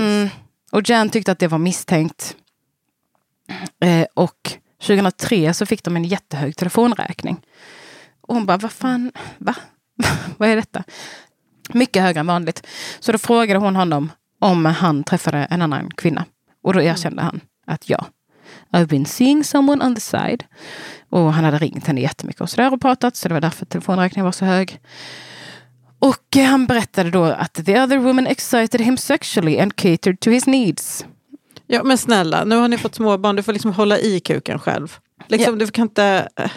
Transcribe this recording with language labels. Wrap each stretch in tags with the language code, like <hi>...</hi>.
<sv>Mm, och Jan tyckte att det var misstänkt. Och 2003 så fick de en jättehög telefonräkning. Och hon bara, vad fan, va? Vad är detta? Mycket högre än vanligt. Så då frågade hon honom om han träffade en annan kvinna. Och då erkände han att ja.</sv> <en>I've been seeing someone on the side.</en> <sv>Och han hade ringt henne jättemycket och sådär och pratat. Så det var därför telefonräkningen var så hög. Och han berättade då att</sv> <en>the other woman excited him sexually and catered to his needs.</en> <sv>Ja, men snälla. Nu har ni fått småbarn. Du får liksom hålla i kuken själv. Liksom, yeah. Du kan inte</sv>